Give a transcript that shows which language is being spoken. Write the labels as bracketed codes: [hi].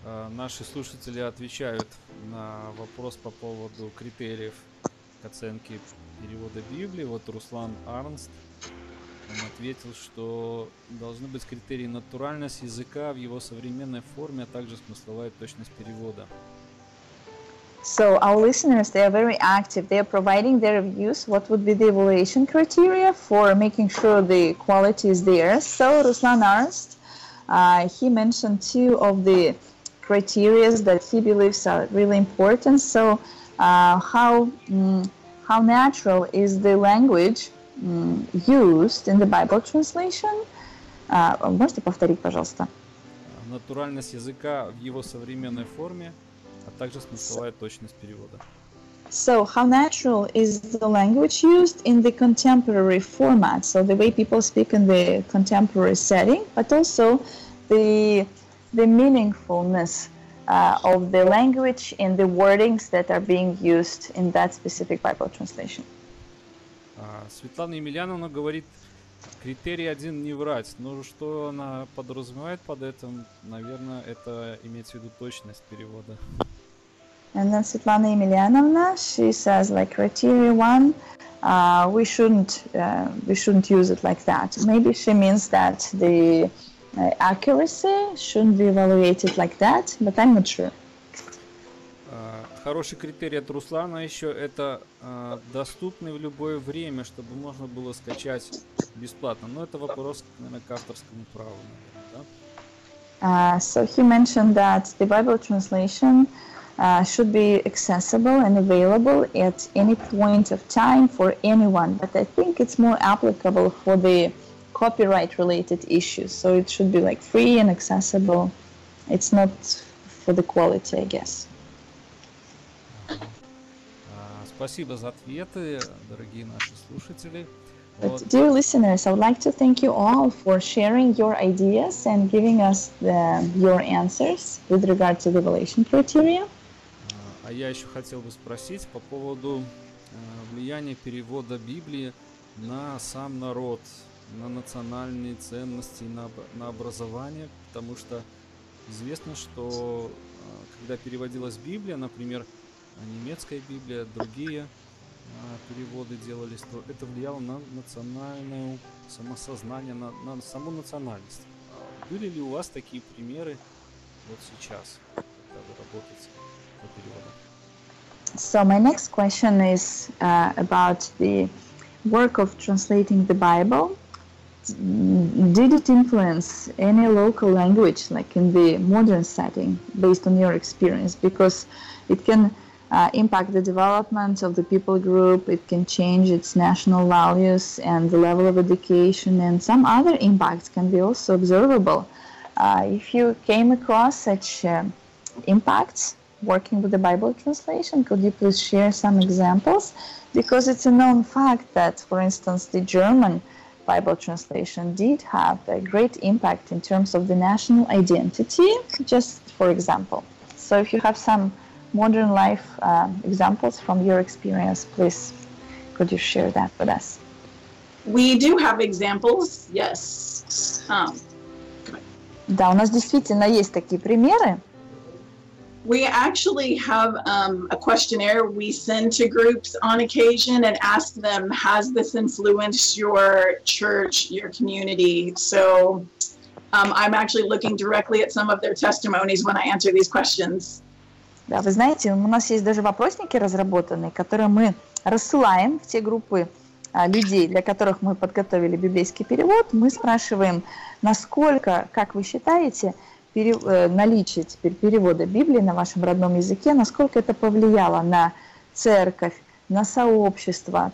[ru] Наши слушатели отвечают на вопрос по поводу критериев оценки перевода Библии. Вот Руслан Арнст ответил, что должны быть критерии натуральность языка в его современной форме, а также смысловая точность перевода. [en] So our listeners, they are very active. They are providing their views. What would be the evaluation criteria for making sure the quality is there? So Руслан Арнст, he mentioned two of the criteria that he believes are really important. So how natural is the language used in the Bible translation? [ru] Можете повторить, пожалуйста? Натуральность языка в его современной форме, а также смысловая точность перевода. [en] So how natural is the language used in the contemporary format? So the way people speak in the contemporary setting, but also the meaningfulness of the language and the wordings that are being used in that specific Bible translation. [ru] Светлана Емельяновна говорит, критерий один не врать. Но что она подразумевает под этим, наверное, это имеет в виду точность перевода. [en] And then Svetlana Emelianovna, she says, like, criteria one, we shouldn't use it like that. Maybe she means that the accuracy shouldn't be evaluated like that, but I'm not sure. [ru] Хороший критерий от Руслана еще – это доступный в любое время, чтобы можно было скачать бесплатно. Но это вопрос, наверное, к авторскому праву. Да? [en] So he mentioned that the Bible translation should be accessible and available at any point of time for anyone. But I think it's more applicable for the copyright-related issues. So it should be like free and accessible. It's not for the quality, I guess. [ru] Спасибо за ответы, дорогие наши слушатели. Вот. [en] Dear listeners, I would like to thank you all for sharing your ideas and giving us your answers with regard to the evaluation criteria. [ru] А я еще хотел бы спросить по поводу влияния перевода Библии на сам народ, на национальные ценности, на образование, потому что известно, что когда переводилась Библия, например, немецкая Библия, другие переводы делались, то это влияло на национальное самосознание, на саму национальность. Были ли у вас такие примеры вот сейчас, когда вы работаете по переводу? [en] So my next question is about the work of translating the Bible. Did it influence any local language, like in the modern setting, based on your experience? Because it can impact the development of the people group, it can change its national values and the level of education, and some other impacts can be also observable. If you came across such impacts working with the Bible translation, could you please share some examples? Because it's a known fact that, for instance, the German Bible translation did have a great impact in terms of the national identity, just for example. So if you have some modern life examples from your experience, please, could you share that with us? We do have examples, yes. [ru] Да, у нас действительно есть такие примеры. [en] We actually have a questionnaire we send to groups on occasion and ask them, has this influenced your church, your community? So I'm actually looking directly at some of their testimonies when I answer these questions. [ru] Да, вы знаете, у нас есть даже вопросники разработанные, которые мы рассылаем в те группы людей, для которых мы подготовили библейский перевод. Мы спрашиваем, насколько, как вы считаете, наличие теперь перевода Библии на вашем родном языке, насколько это повлияло на церковь, на сообщество.